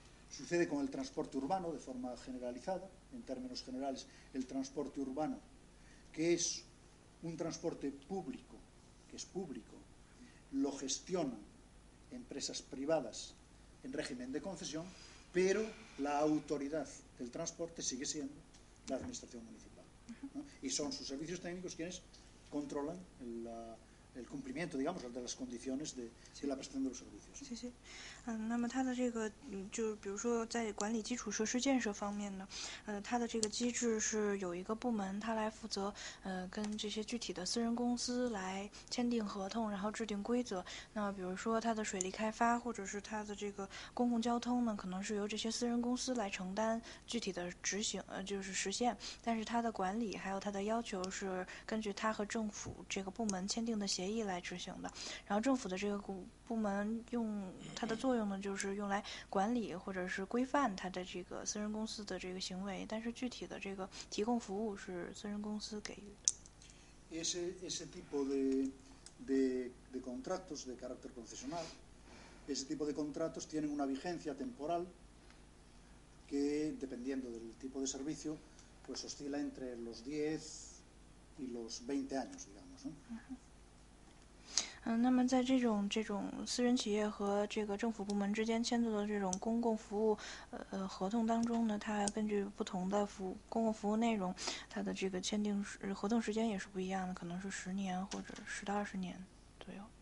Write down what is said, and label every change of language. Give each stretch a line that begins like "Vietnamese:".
Spanish: Sucede con el transporte urbano de forma generalizada, en términos generales, el transporte urbano, que es un transporte público, que es público, lo gestionan empresas privadas en régimen de concesión, pero la autoridad del transporte sigue siendo la administración municipal, ¿no? Y son sus servicios técnicos quienes controlan el cumplimiento, digamos, de las condiciones de la prestación de los servicios. Sí, sí.
Chinese: 那么它的这个，就比如说在管理基础设施建设方面呢，它的这个机制是有一个部门，它来负责，跟这些具体的私人公司来签订合同，然后制定规则。那么比如说它的水利开发，或者是它的这个公共交通呢，可能是由这些私人公司来承担具体的执行，就是实现。但是它的管理还有它的要求是根据它和政府这个部门签订的协议来执行的。然后政府的这个部门用它的作用呢，就是用来管理或者是规范它的这个私人公司的这个行为，但是具体的这个提供服务是私人公司给予的。
Spanish: Ese tipo de contratos de carácter concesional, ese tipo de contratos tienen una vigencia temporal que, dependiendo del tipo de servicio, pues oscila entre los 10 y los 20 años, digamos, ¿no? Uh-huh.
Chinese: 那么在这种私人企业和这个政府部门之间签订的这种公共服务合同当中呢，它根据不同的公共服务内容，它的这个签订合同时间也是不一样的，可能是十年或者10到20年左右。